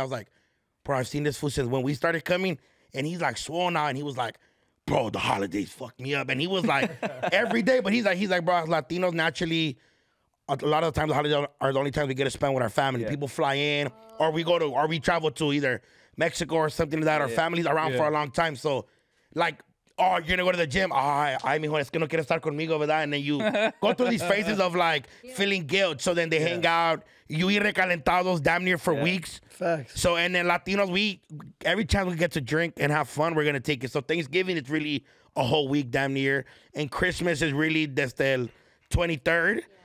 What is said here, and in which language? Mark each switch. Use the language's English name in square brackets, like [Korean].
[English] I was like, bro, I've seen this fool since when we started coming, and he's like swollen out, and he was like, bro, the holidays fucked me up, and he was like, every day, but he's like, bro, Latinos naturally. A lot of the times, the holidays are the only times we get to spend with our family. Yeah. People fly in, or we travel to either Mexico or something like that. Yeah, our family's around for a long time, so like, oh, you're gonna go to the gym. [Spanish] Ay, mijo, es que no quiere estar conmigo, verdad? [English] And then you go through these phases of like feeling guilt. So then they hang out. You eat recalentados damn near for weeks. Facts. So and then Latinos, we every time we get to drink and have fun, we're gonna take it. So Thanksgiving is really a whole week damn near, and Christmas is really [Spanish] desde el [English] 23rd.